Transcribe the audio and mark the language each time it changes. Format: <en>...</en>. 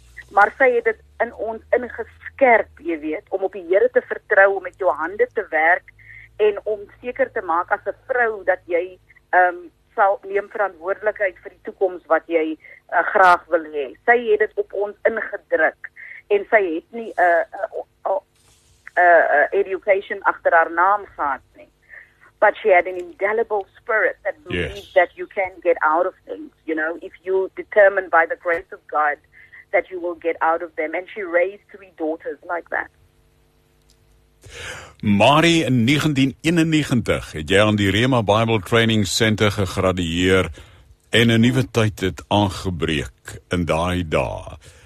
<af>Maar sy het dit in ons ingeskerp, jy weet, om op die Here te vertrou, om met jou hande te werk en om seker te maak as 'n vrou dat jy sal neem verantwoordelikheid vir die toekoms wat jy graag wil hê. Sy het dit op ons ingedruk en sy het nie 'n education agter haar naam gehad nie.</af> <en>But she had an indelible spirit that believed, yes, that you can get out of things, you know, if you determine by the grace of God that you will get out of them. And she raised 3 daughters like that.</en> <af>Mari, in 1991 het jy aan die Rema Bible Training Center gegradueer en 'n nuwe tyd het aangebreek in daai dae.</af>